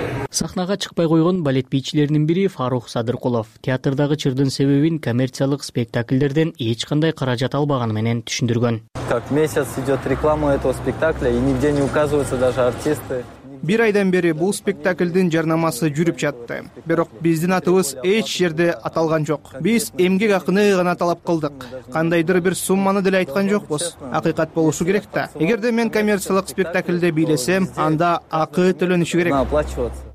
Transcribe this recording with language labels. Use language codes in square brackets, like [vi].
[ky] Сахнага чыкпай койгон балет бийчилеринин бири Фарух Садыркулов театрдагы чырдын себебин коммерциялык спектаклдерден эч кандай каражат албаганы менен түшүндүргөн. [ru] Как месяц идет реклама этого спектакля, и нигде не указываются даже артисты. [ky] Бир айдан бери бул спектакльдин жарнамасы жүрүп жатты. Бирок биздин атыбыз эч жерде аталган жок. Биз эмгек акыны гана талап кылдык. Кандайдыр бир сумманы деле айткан жокпуз. Акыйкат болушу керек да. Эгерде мен коммерциялык спектакльде бийлесем, анда акы төлөнүшү керек.